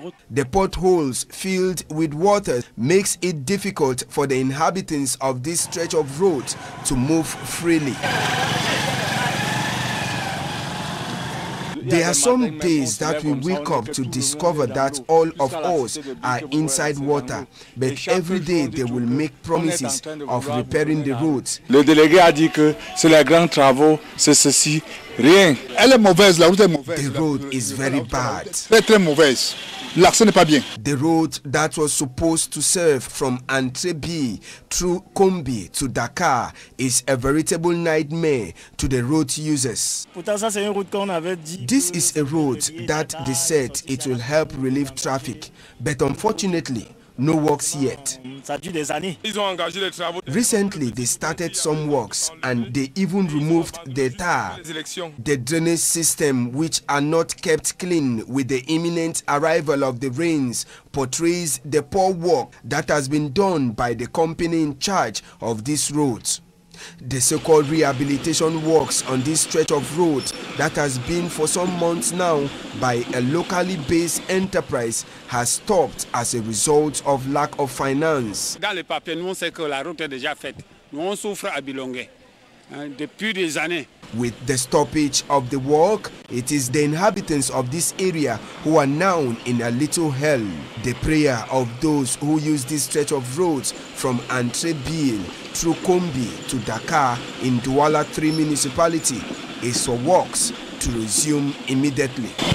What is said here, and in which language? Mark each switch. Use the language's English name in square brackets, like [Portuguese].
[English] The potholes filled with water makes it difficult for the inhabitants of this stretch of road to move freely. There are some days that we wake up to discover that all of us are inside water, but every day they will make promises of repairing the roads. [French] Le délégué a dit que c'est les grands travaux, c'est ceci, rien. Elle est mauvaise, la route est mauvaise. [English] The road is very bad. [French] Très très mauvaise. L'accès n'est pas bien. [English] The road that was supposed to serve from Antre Bill through Kombi to Dakar is a veritable nightmare to the road users. This is a road that they said it will help relieve traffic, but unfortunately, no works yet. Recently, they started some works and they even removed the tar, the drainage system, which are not kept clean with the imminent arrival of the rains, portrays the poor work that has been done by the company in charge of these roads. The so-called rehabilitation works on this stretch of road that has been for some months now by a locally based enterprise has stopped as a result of lack of finance. [French] Dans les papiers, nous on sait que la route est déjà faite. Nous on souffre à Bilongue depuis des années. [English] With the stoppage of the work, it is the inhabitants of this area who are now in a little hell. The prayer of those who use this stretch of roads from Antre Bill through Kombi to Dakar in Douala 3 municipality is for works to resume immediately.